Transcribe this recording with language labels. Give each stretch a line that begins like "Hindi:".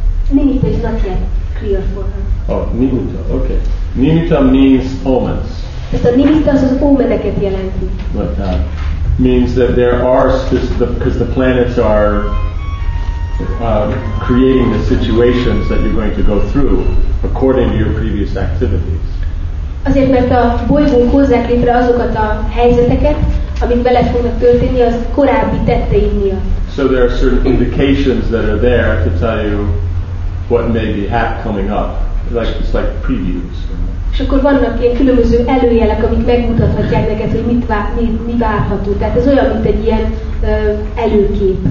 English: Nimitta is not yet clear for her. Oh, Nimitta, okay. Nimitta means omens.
Hungarian: Ez a Nimitta az omeneket jelenti.
English: But that means that there are, because the planets are creating the situations that you're going to go through according to your previous activities.
Hungarian: Azért, mert a bolygók hozzák létre azokat a helyzeteket, amik bele fognak történni az korábbi tetteid miatt.
English: So there are certain indications that are there to tell you what may be coming up. It's like previews.
Hungarian: És akkor vannak ilyen különböző előjelek, amik megmutathatják neked, hogy mi várható. Tehát ez olyan, mint egy ilyen előkép.